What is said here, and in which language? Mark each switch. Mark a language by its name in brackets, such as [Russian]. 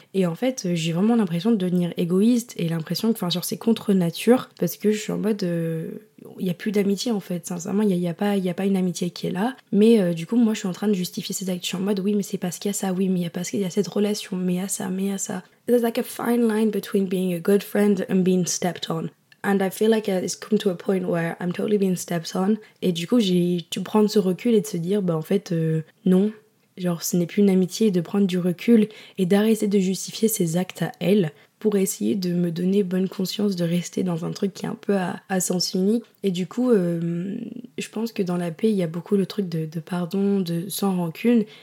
[French] Et en fait j'ai vraiment l'impression de devenir égoïste et l'impression que enfin genre c'est contre nature parce que je suis en mode il y a plus d'amitié en fait, sincèrement il y a pas une amitié qui est là, mais du coup moi je suis en train de justifier ces actes, je suis en mode oui mais c'est parce qu'il y a ça, oui mais il y a parce qu'il y a cette relation, mais il y a ça. [English] There's like a fine line between being a good friend and being stepped on. And I feel like it's come to a point where I'm totally being stepped on. [French] Et du coup, tu prends ce recul et de se dire, bah en fait, non. Genre, ce n'est plus une amitié de prendre du recul et d'arrêter de justifier ses actes à elle pour essayer de me donner bonne conscience de rester dans un truc qui est un peu à sens unique. Et du coup, je pense que dans la paix, il y a beaucoup le truc de pardon, de sans rancune.